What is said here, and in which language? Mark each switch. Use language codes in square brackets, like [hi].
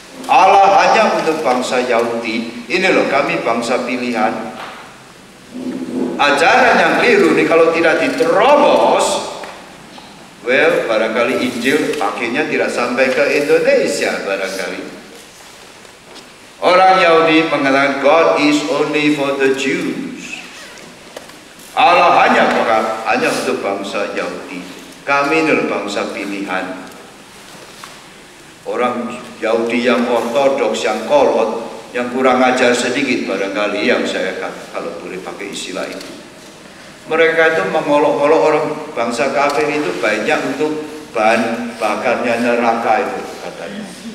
[id] Allah hanya untuk bangsa Yahudi. Ini loh, kami bangsa pilihan. Ajaran yang keliru ini kalau tidak diterobos, well, barangkali Injil akhirnya tidak sampai ke Indonesia, barangkali. Orang Yahudi mengatakan, [en] God is only for the Jews. [id] Allah hanya untuk bangsa Yahudi. Kami adalah bangsa pilihan. Orang Yahudi yang ortodoks, yang kolot, yang kurang ajar sedikit barangkali, yang saya kalau boleh pakai istilah itu. Mereka itu mengolok-olok orang bangsa kafir itu banyak untuk bahan bakarnya neraka itu katanya.